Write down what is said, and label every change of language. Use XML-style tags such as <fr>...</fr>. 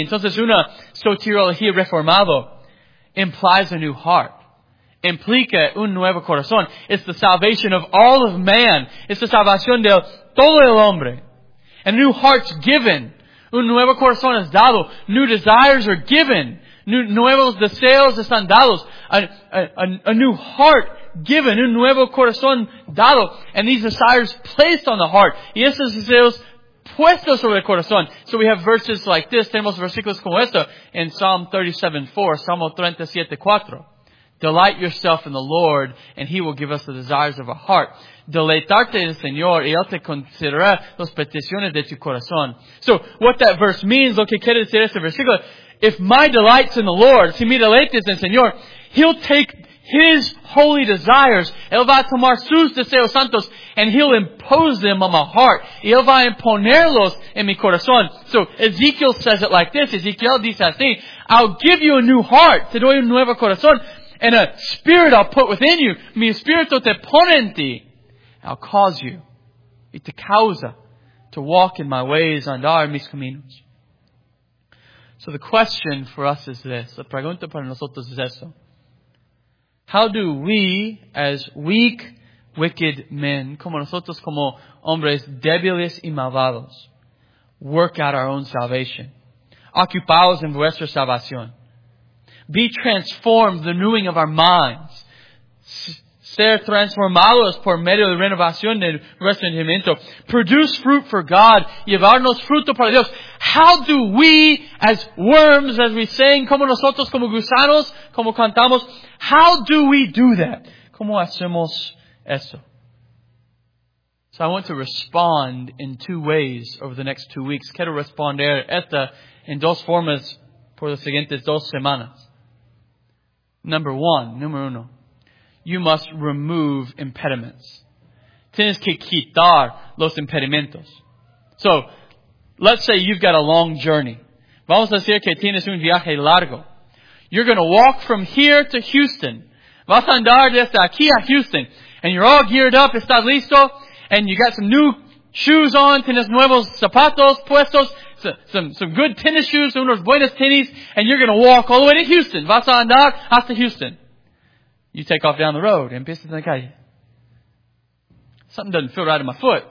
<es>Entonces una soteriología reformado</es> <en>implies a new heart.</en> <es>Implica un nuevo corazón.</es> <en>It's the salvation of all of man. It's the</en> <es>salvación de todo el hombre.</es> <en>A new heart's given.</en> <es>Un nuevo corazón es dado.</es> <en>New desires are given.</en> <es>Nuevos deseos están dados.</es> <en>A new heart given.</en> <es>Un nuevo corazón dado.</es> <en>And these desires placed on the heart.</en> <es>Y esos deseos puestos sobre el corazón.</es> <en>So we have verses like this.</en> <es>Tenemos versículos como esto in Psalm 37:4.</es> <en>Delight yourself in the Lord, and He will give us the desires of our heart.</en> <es>Deleitarte en el Señor, y Él te concederá las peticiones de tu corazón.</es> <en>So, what that verse means,</en> <es>lo que quiere decir este versículo,</es> <en>if my delight's in the Lord,</en> <es>si mi deleite es en el Señor,</es> <en>He'll take His holy desires,</en> <es>Él va a tomar sus deseos santos,</es> <en>and He'll impose them on my heart,</en> <es>y Él va a imponerlos en mi corazón.</es> <en>So, Ezekiel says it like this,</en> <es>Ezekiel dice así,</es> <en>I'll give you a new heart,</en> <es>te doy un nuevo corazón,</es> <en>and a spirit I'll put within you.</en> <es>Mi espíritu te pone en ti.</es> <en>I'll cause you.</en> <es>Y te causa.</es> <en>To walk in my ways.</en> <es>Andar en mis caminos.</es> <en>So the question for us is this.</en> <es>La pregunta para nosotros es esto.</es> <en>How do we, as weak, wicked men,</en> <es>como nosotros como hombres débiles y malvados,</es> <en>work out our own salvation?</en> <es>Ocupados en vuestra salvación.</es> <en>Be transformed, the renewing of our minds.</en> <es>Ser transformados por medio de renovación de nuestro entendimiento.</es> <en>Produce fruit for God.</en> <es>Llevarnos fruto para Dios.</es> <en>How do we, as worms, as we sing,</en> <es>como nosotros, como gusanos, como cantamos,</es> <en>how do we do that?</en> <es>¿Cómo hacemos eso?</es> <en>So I want to respond in two ways over the next 2 weeks.</en> <es>Quiero responder esta en dos formas por las siguientes dos semanas.</es> <en>Number one,</en> <es>número uno,</es> <en>you must remove impediments.</en> <es>Tienes que quitar los impedimentos.</es> <en>So, let's say you've got a long journey.</en> <es>Vamos a decir que tienes un viaje largo.</es> <en>You're going to walk from here to Houston.</en> <es>Vas a andar desde aquí a Houston.</es> <en>And you're all geared up,</en> <es>estás listo.</es> <en>And you got some new shoes on,</en> <es>tienes nuevos zapatos puestos.</es> <en>Some good tennis shoes,</en> <es>unos buenos tenis,</es> <en>and you're going to walk all the way to Houston.</en> <es>Vas a andar hasta Houston.</es> <en>You take off down the road.</en> <es>Empiezas en la calle.</es> <en>Something doesn't feel right in my foot.</en>